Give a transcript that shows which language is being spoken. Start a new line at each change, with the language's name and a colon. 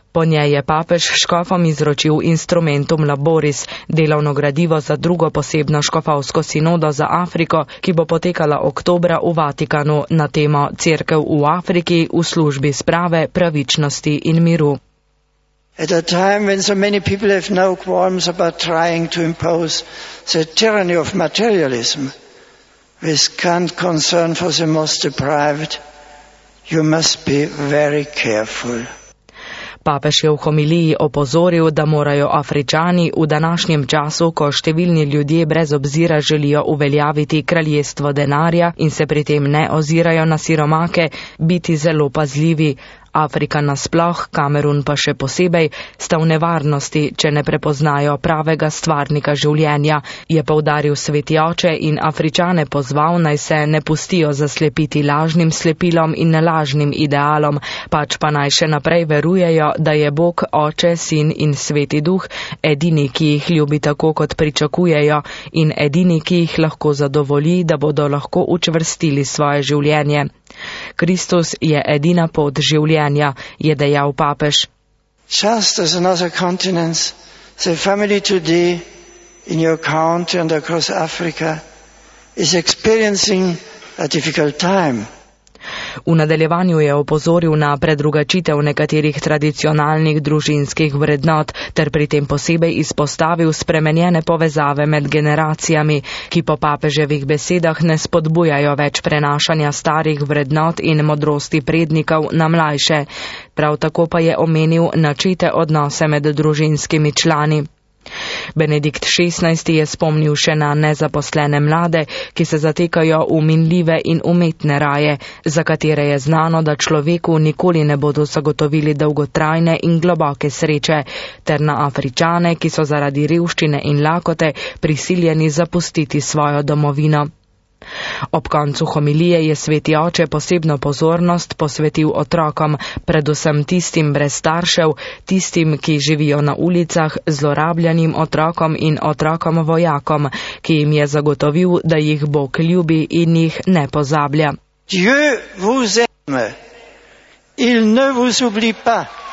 Slovenian: Po njej je papež škofom izročil instrumentum laboris, delovno gradivo za drugo posebno škofovsko sinodo za Afriko, ki bo potekala oktobra v Vatikanu na temo Cerkev v Afriki v službi sprave, pravičnosti in miru.
English: At a time when so many people have no qualms about trying to impose the tyranny of materialism, with scant concern for the most deprived, you must be very careful.
Slovenian: Papež je v homiliji opozoril, da morajo Afričani v današnjem času, ko številni ljudje brez obzira želijo uveljaviti kraljestvo denarja in se pri tem ne ozirajo na siromake, biti zelo pazljivi. Afrika nasploh, Kamerun pa še posebej, sta v nevarnosti, če ne prepoznajo pravega stvarnika življenja, je poudaril sveti oče in Afričane pozval, naj se ne pustijo zaslepiti lažnim slepilom in lažnim idealom, pač pa naj še naprej verujejo, da je Bog, oče, sin in sveti duh edini, ki jih ljubi tako, kot pričakujejo in edini, ki jih lahko zadovolji, da bodo lahko učvrstili svoje življenje. Kristus je edina pot življenja, je dejal papež.
English: Just as in other continents, the family today in your country and across Africa is experiencing a difficult time.
Slovenian: V nadaljevanju je opozoril na predrugačitev nekaterih tradicionalnih družinskih vrednot ter pri tem posebej izpostavil spremenjene povezave med generacijami, ki po papeževih besedah ne spodbujajo več prenašanja starih vrednot in modrosti prednikov na mlajše. Prav tako pa je omenil načete odnose med družinskimi člani. Benedikt XVI. Je spomnil še na nezaposlene mlade, ki se zatekajo v minljive in umetne raje, za katere je znano, da človeku nikoli ne bodo zagotovili dolgotrajne in globoke sreče, ter na Afričane, ki so zaradi revščine in lakote prisiljeni zapustiti svojo domovino. Ob koncu homilije je sveti oče posebno pozornost posvetil otrokom, predvsem tistim brez staršev, tistim, ki živijo na ulicah, zlorabljenim otrokom in otrokom vojakom, ki jim je zagotovil, da jih Bog ljubi in jih ne pozablja.
French: Dieu vous aime, il ne vous oublie pas.